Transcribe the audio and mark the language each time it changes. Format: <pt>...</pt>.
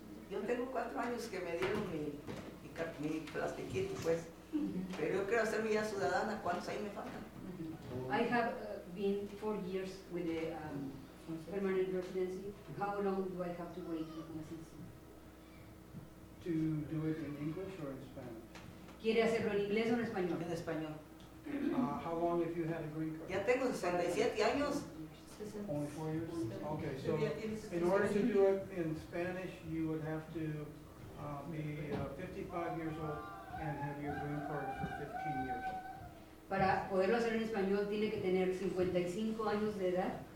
<es>Yo tengo 4 años que me dieron mi plastiquito, pues. Pero yo quiero hacer mi vida ciudadana. ¿Cuántos ahí me faltan?</es> <en>I have been 4 years with the permanent residency. How long do I have to wait for my citizenship? To do it in English or in Spanish?</en> <es>¿Quiere hacerlo en inglés o en español? En español.</es> <en>How long have you had a green card?</en> <es>Ya tengo 67 años.</es> <en>Only 4 years? Okay, so in order to do it in Spanish, you would have to be 25 years old and have your green card for 15 years.</en> <es>Para poderlo hacer en español tiene que tener 55 años de edad.</es>